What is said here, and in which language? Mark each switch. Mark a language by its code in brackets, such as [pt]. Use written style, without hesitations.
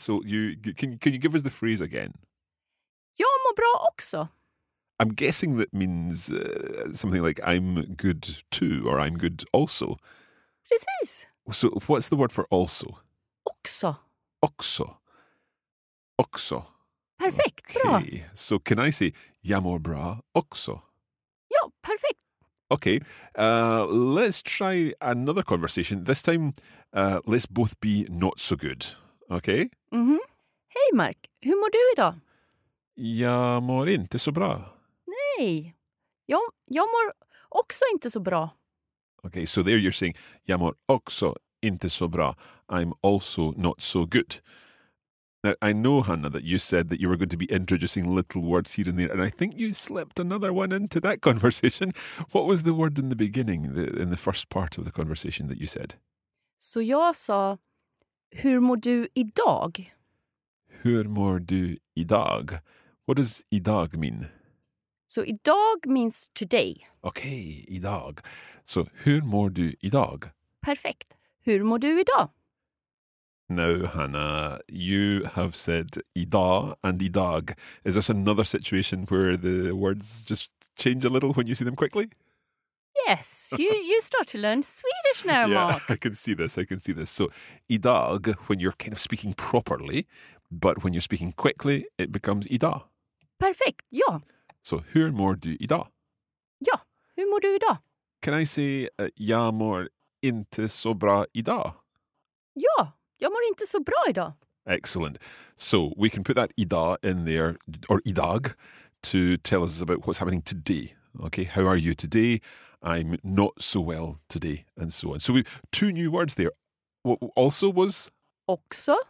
[en] So can you give us the phrase again? [sv] Jag mår bra också. [en] I'm guessing that means something like I'm good too or I'm good also. [sv] Precis. [en] So what's the word for also? [sv] Också. Också. Också. Perfekt, [en] okay. [sv] bra. [en] So can I say, [sv] jag mår bra också? Ja, perfekt. [en] Okay, let's try another conversation. This time, let's both be not so good, okay? [sv] Mm-hmm. Hej Mark, hur mår du idag? Jag mår inte så bra. Nej, jag mår också inte så bra. [en] Okay, so there you're saying, [sv] jag mår också inte så bra. [en] I'm also not so good. Now, I know, Hanna, that you said that you were going to be introducing little words here and there, and I think you slipped another one into that conversation. What was the word in the beginning, in the first part of the conversation that you said? [sv] Så jag sa, hur mår du idag? Hur mår du idag? [en] What does idag mean? So idag means today. [sv] Okay, idag. So hur mår du idag? Perfekt. Hur mår du idag? [en] Now, Hanna, you have said idag and idag. Is this another situation where the words just change a little when you see them quickly? Yes, you start to learn Swedish now, yeah, Mark. I can see this. So idag, when you're kind of speaking properly, but when you're speaking quickly, it becomes idag. Perfect, ja. [sv] So hur mår du idag? Ja, hur mår du idag? [en] Can I say [sv] jag mår inte så bra idag? Ja. Jag mår inte så bra idag. [en] Excellent. So we can put that idag in there, or idag, to tell us about what's happening today. Okay, how are you today? I'm not so well today, and so on. So we two new words there. What also was? [sv] Också.